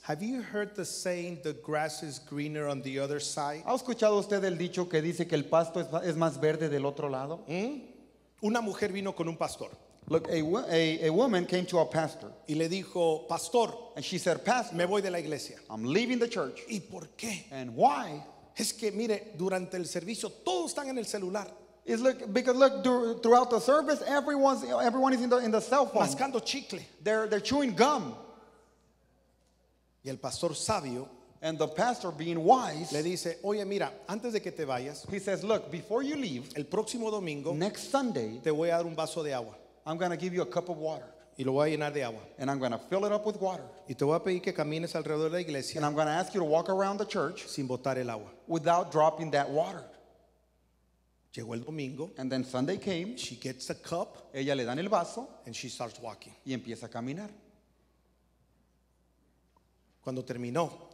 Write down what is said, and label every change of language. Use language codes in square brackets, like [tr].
[en] Have you heard the saying, "The grass is greener on the other side"? [es] ¿Ha escuchado usted el dicho que dice que el pasto es más verde del otro lado? ¿Mm? Una mujer vino con un pastor. [en] Look, a woman came to a pastor. [es] Y le dijo, pastor. [en] And she said, pastor, [es] me voy de la iglesia. [en] I'm leaving the church. [es] ¿Y por qué? [en] And why? [es] Es que mire, durante el servicio todos están en el celular. [en] It's like, because look, throughout the service, everyone is in the cell phone. [es] Mascando chicle. [en] They're chewing gum. [es] Y el pastor sabio, [en] and the pastor being wise, [es] le dice, oye, mira, antes de que te vayas, [en] he says, look, before you leave, [es] el próximo domingo, [en] next Sunday, [es] te voy a dar un vaso de agua. [en] I'm going to give you a cup of water. [es] Y lo voy a llenar de agua. [en] And I'm going to fill it up with water. [es] Y te voy a pedir que camines alrededor de la iglesia. [en] And I'm going to ask you to walk around the church [es] sin botar el agua. [en] Without dropping that water. [es] Llegó el domingo. [en] And then Sunday came. She gets a cup. [es] Ella le dan el vaso. [en] And she starts walking. [es] Y empieza a caminar. Cuando terminó,